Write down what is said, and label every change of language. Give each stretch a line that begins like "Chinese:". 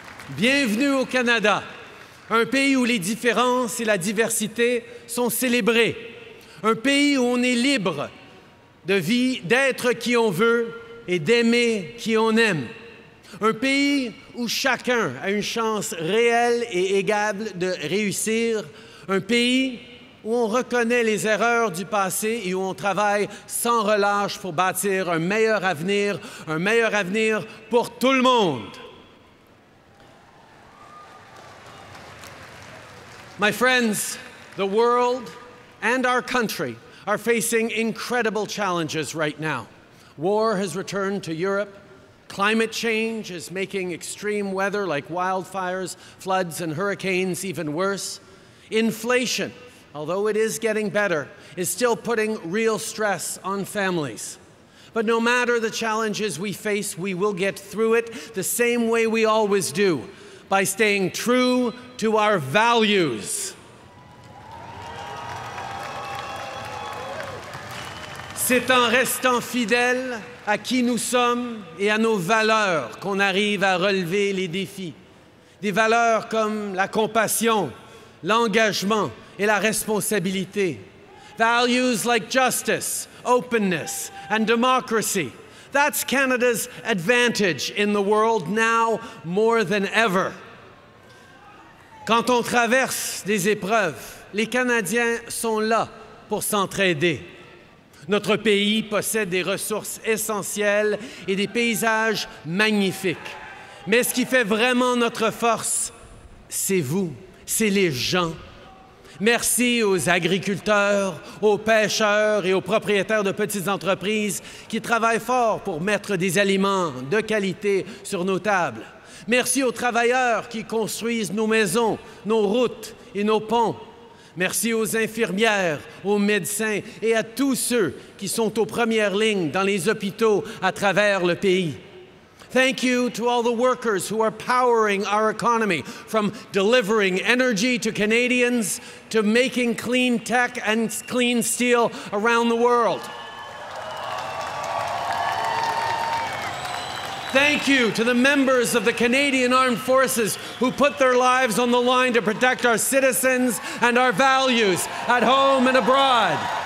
French: Bienvenue au Canada, un pays où les différences et la diversité sont célébrées, un pays où on est libre de vivre, d'être qui on veut et d'aimer qui on aime, un pays où chacun a une chance réelle et égale de réussir, un pays où on reconnaît les erreurs du passé et où on travaille sans relâche pour bâtir un meilleur avenir pour tout le monde.
English: My friends, the world and our country are facing incredible challenges right now. War has returned to Europe. Climate change is making extreme weather like wildfires, floods, and hurricanes even worse. Inflation, although it is getting better, is still putting real stress on families. But no matter the challenges we face, we will get through it the same way we always do, by staying true to our values.
French: C'est en restant fidèle à qui nous sommes et à nos valeurs qu'on arrive à relever les défis. Des valeurs comme la compassion, l'engagement et la responsabilité.
English: Values like justice, openness, and democracy. That's Canada's advantage in the world now more than ever.
French: Quand on traverse des épreuves, les Canadiens sont là pour s'entraider. Notre pays possède des ressources essentielles et des paysages magnifiques. Mais ce qui fait vraiment notre force, c'est vous, c'est les gens. Merci aux agriculteurs, aux pêcheurs et aux propriétaires de petites entreprises qui travaillent fort pour mettre des aliments de qualité sur nos tables. Merci aux travailleurs qui construisent nos maisons, nos routes et nos ponts. Merci aux infirmières, aux médecins et à tous ceux qui sont aux premières lignes dans les hôpitaux à travers le pays.
English: Thank you to all the workers who are powering our economy, from delivering energy to Canadians to making clean tech and clean steel around the world. Thank you to the members of the Canadian Armed Forces who put their lives on the line to protect our citizens and our values at home and abroad.